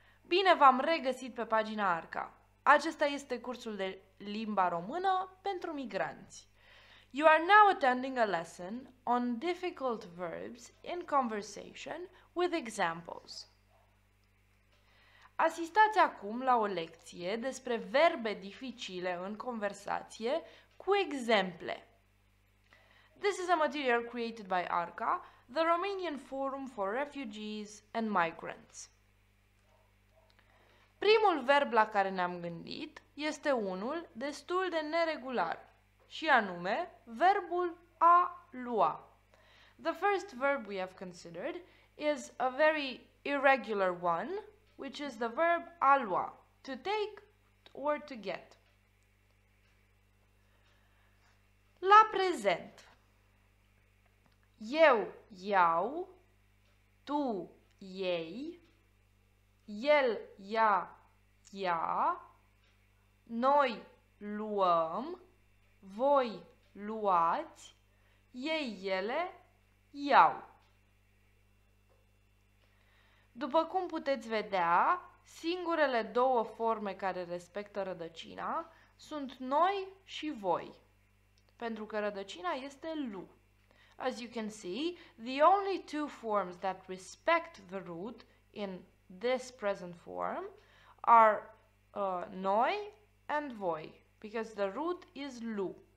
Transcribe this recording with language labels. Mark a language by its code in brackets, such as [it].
[ro] Bine v-am regăsit pe pagina Arca. Acesta este cursul de limba română pentru migranți. [en] You are now attending a lesson on difficult verbs in conversation with examples. [ro] Asistați acum la o lecție despre verbe dificile în conversație cu exemple. [en] This is a material created by ARCA, the Romanian Forum for Refugees and Migrants. [ro] Primul verb la care ne-am gândit este unul destul de neregular, și anume verbul a lua. [en] The first verb we have considered is a very irregular one, which is the verb a lua, to take or to get. [ro] La prezent. Eu iau, tu iei, el ia, ia, noi luăm, voi luați, ei, ele iau. După cum puteți vedea, singurele două forme care respectă rădăcina sunt noi și voi, pentru că rădăcina este lu. [en] As you can see, the only two forms that respect the root in this present form are noi and voi, because the root is lu.